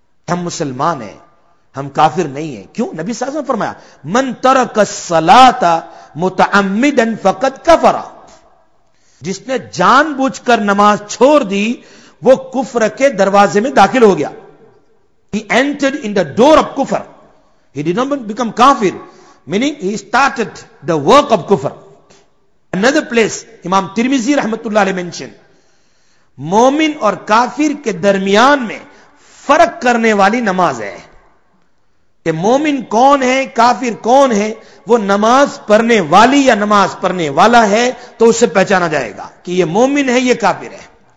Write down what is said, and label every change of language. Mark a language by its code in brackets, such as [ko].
[ur] ہم مسلمان ہیں, ہم کافر نہیں ہیں. کیوں؟ نبی صلی اللہ علیہ وسلم نے فرمایا [ar] من ترک الصلاۃ متعمدا فقد کفر, [ur] جس نے جان بوجھ کر نماز چھوڑ دی وہ کفر کے دروازے میں داخل ہو گیا. [en] He entered in the door of kufr. He did not become kafir, meaning he started the work of kufr. Another place [ur] امام ترمذی رحمت اللہ علیہ mentioned, مومن اور کافر کے درمیان میں فرق کرنے والی نماز ہے. کہ مومن کون ہے کافر کون ہے، وہ نماز پڑھنے والی یا نماز پڑھنے والا ہے تو اسے پہچانا جائے گا کہ یہ مومن ہے یہ کافر ہے.